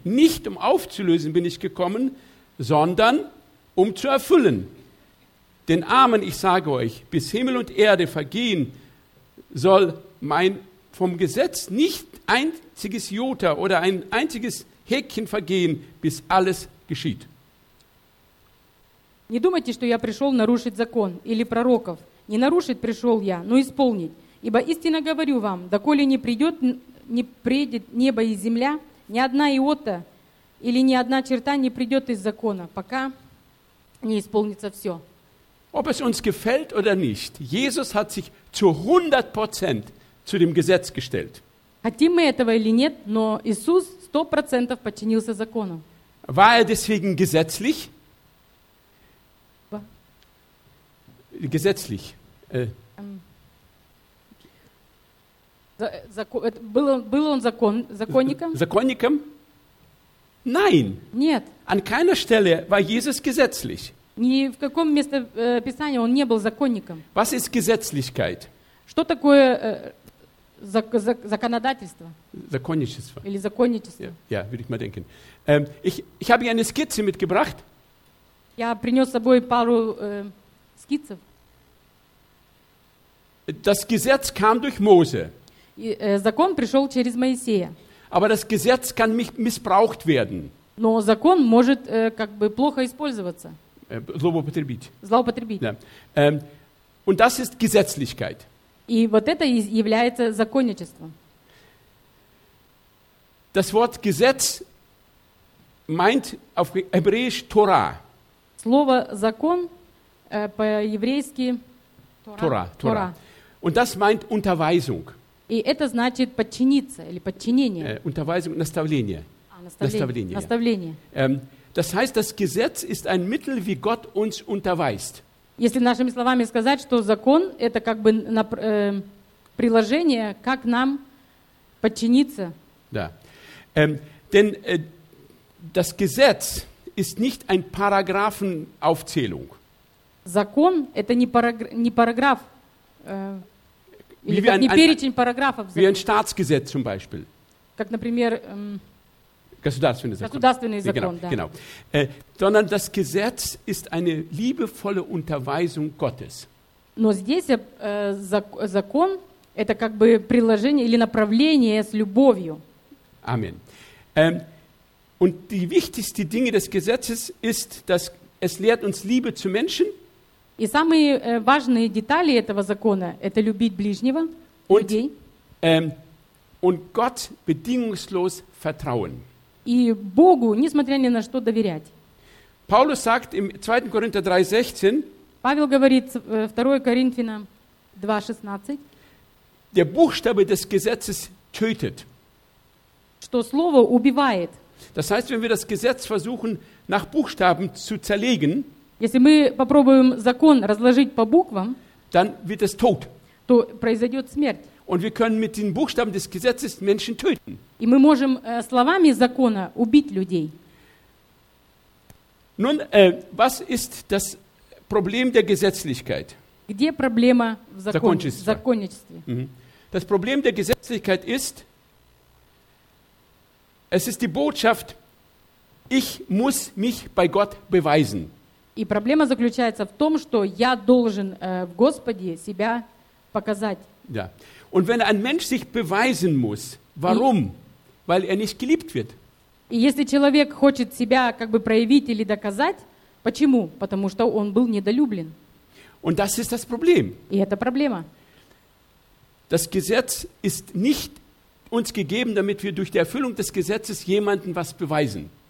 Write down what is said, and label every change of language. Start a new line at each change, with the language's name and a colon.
German: Nicht um aufzulösen bin ich gekommen, sondern um zu erfüllen. Denn Amen, ich sage euch, bis Himmel und Erde vergehen, soll mein vom Gesetz nicht einziges Jota oder ein einziges Häkchen vergehen, bis alles geschieht.
Russian: Не думайте, что я пришел нарушить закон или пророков. Не нарушить пришел я, но исполнить. Ибо истинно говорю вам, доколе не придет... не придет небо и земля, ни одна иота или ни одна черта не придет из закона, пока не исполнится все.
German: Ob es uns gefällt oder nicht, Jesus hat sich zu 100% zu dem Gesetz gestellt.
Russian: Хотим мы этого или нет, но Иисус 100% подчинился закону.
German: War er deswegen gesetzlich? Gesetzlich.
Russian: Был он законником? Законником?
German: Nein.
Russian: Нет.
German: An keiner Stelle war Jesus gesetzlich.
Russian: Ни в каком месте Писания он не был законником.
German: Was ist Gesetzlichkeit?
Russian: Что такое законодательство? Законничество. Или законничество?
German: Ja, würde ich mal denken. Ich habe hier eine Skizze mitgebracht.
Russian: Я принес с собой пару скицев.
German: Das Gesetz kam durch Mose.
Russian: Закон пришел через Моисея.
German: Aber das Gesetz kann missbraucht werden.
Russian: Но закон может как бы плохо использоваться. Злоупотребить.
German: Ja. Und das ist Gesetzlichkeit.
Russian: И вот это является законничеством.
German: Das Wort Gesetz meint auf Hebräisch Torah.
Russian: Слово закон по-еврейски Тора.
German: Und das meint Unterweisung.
Russian: И это значит подчиниться или подчинение.
German: Unterweisung,
Russian: наставление. Наставление. Наставление.
German: Das heißt, das Gesetz ist ein Mittel, wie Gott uns unterweist.
Russian: Если нашими словами сказать, что закон – это как бы приложение, как нам подчиниться. Да.
German: Denn das Gesetz ist nicht ein Paragraphenaufzählung.
Russian: Закон – это не параграф.
German: Wie ein
Russian: параграфов,
German: wie ein Staatsgesetz zum Beispiel.
Russian: Как, например, государственный закон.
German: Genau,
Russian: да.
German: Genau. Sondern das Gesetz ist eine liebevolle Unterweisung Gottes.
Russian: Но здесь закон это как бы приложение или направление с любовью.
German: Amen. Und die wichtigste Dinge des Gesetzes ist, dass es lehrt uns Liebe zu Menschen.
Russian: И самые важные детали этого закона – это любить ближнего, людей.
German: Und Gott bedingungslos vertrauen.
Russian: И Богу, несмотря ни на что, доверять.
German: Paulus sagt im 2. Korinther 3,16,
Russian: Павел говорит 2 Коринфянам 2,16,
German: der Buchstabe des Gesetzes tötet.
Russian: Что слово убивает.
German: Das heißt, wenn wir das Gesetz versuchen, nach Buchstaben zu zerlegen,
Russian: если мы попробуем закон разложить по буквам,
German: dann wird es tot.
Russian: То произойдет смерть.
German: Und wir können mit den Buchstaben des Gesetzes Menschen töten.
Russian: И мы можем словами закона убить людей.
German: Nun, was ist das Problem der Gesetzlichkeit?
Russian: Где проблема в законничестве?
German: Das Problem der Gesetzlichkeit ist, es ist die Botschaft, ich muss mich bei Gott beweisen.
Russian: И проблема заключается в том, что я должен в Господе себя показать. Да.
German: Und wenn ein Mensch sich beweisen muss, warum? Weil er nicht geliebt wird.
Russian: И если человек хочет себя как бы проявить или доказать, почему? Потому что он был недолюблен.
German: Und das ist das Problem.
Russian: И это проблема.
German: Das Gesetz ist nicht uns gegeben, damit wir durch die Erfüllung des Gesetzes jemanden was beweisen.